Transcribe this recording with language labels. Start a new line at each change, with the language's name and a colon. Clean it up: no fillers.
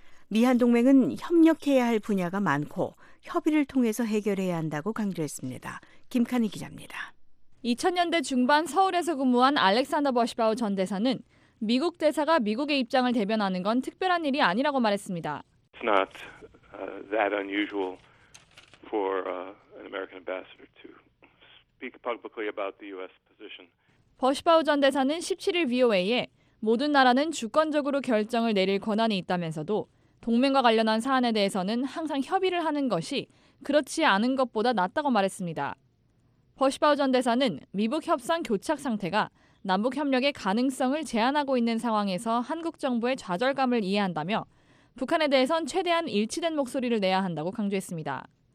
Korean: 미한동맹은 협력해야 할 분야가 많고 협의를 통해서 해결해야 한다고 강조했습니다. 김카니 기자입니다. 2000년대 중반 서울에서 근무한 알렉산더 버시바우 전 대사는 미국 대사가 미국의 입장을 대변하는 건 특별한 일이 아니라고 말했습니다.
English: It's not that unusual for an American ambassador to speak publicly about the U.S. position.
Korean: 버시바우 전 대사는 17일 VOA에 모든 나라는 주권적으로 결정을 내릴 권한이 있다면서도 동맹과 관련한 사안에 대해서는 항상 협의를 하는 것이 그렇지 않은 것보다 낫다고 말했습니다. 버시바우 전 대사는 미북 협상 교착 상태가 남북 협력의 가능성을 제한하고 있는 상황에서 한국 정부의 좌절감을 이해한다며 북한에 대해선 최대한 일치된 목소리를 내야 한다고 강조했습니다.